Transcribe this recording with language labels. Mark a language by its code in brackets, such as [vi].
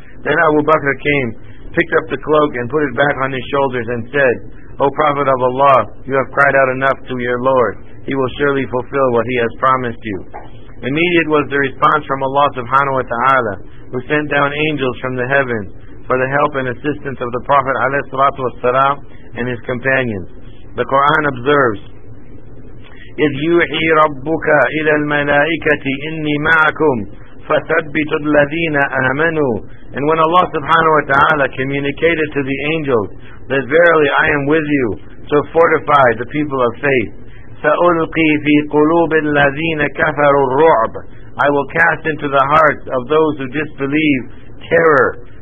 [en] Then Abu Bakr came, picked up the cloak and put it back on his shoulders and said, O Prophet of Allah, you have cried out enough to your Lord. He will surely fulfill what he has promised you. Immediate was the response from Allah subhanahu wa ta'ala, who sent down angels from the heavens for the help and assistance of the Prophet alayhi salatu wassalam and his companions. The Quran observes, [ar] إِذْ يُوحِي رَبُّكَ إِلَى الْمَلَائِكَةِ إِنِّي مَعَكُمْ فَثَبِّتُ الَّذِينَ آمَنُوا. [en] And when Allah subhanahu wa ta'ala communicated to the angels that verily I am with you, so fortify the people of faith. [ar] سَأُلْقِي فِي قُلُوبِ الَّذِينَ كَفَرُوا الرُّعْبِ. [en] I will cast into the hearts of those who disbelieve terror.